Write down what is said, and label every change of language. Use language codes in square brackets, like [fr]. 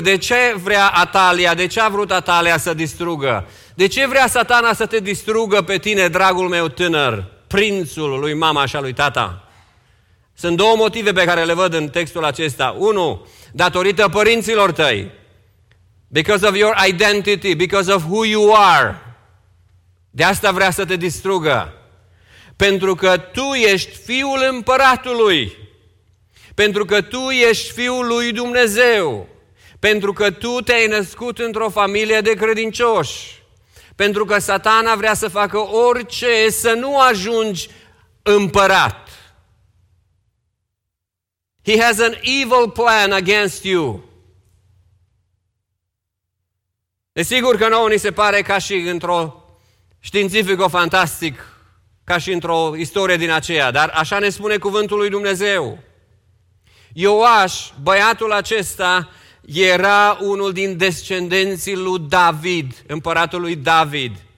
[ro] De ce vrea Atalia? De ce a vrut Atalia să distrugă? De ce vrea Satana să te distrugă pe tine, dragul meu tânăr, prințul lui mama și a lui tata? Sunt două motive pe care le văd în textul acesta. Unu, datorită părinților tăi. [en] Because of your identity, because of who you are. [ro] De asta vrea să te distrugă. Pentru că tu ești fiul împăratului. Pentru că tu ești fiul lui Dumnezeu. Pentru că tu te-ai născut într-o familie de credincioși. Pentru că Satana vrea să facă orice să nu ajungi împărat. [en] He has an evil plan against you. [ro] Desigur că nouă ni se pare ca și într-o științifică fantastic, ca și într-o istorie din aceea, dar așa ne spune cuvântul lui Dumnezeu. Ioaș, băiatul acesta, era unul din descendenții lui David, împăratul lui David.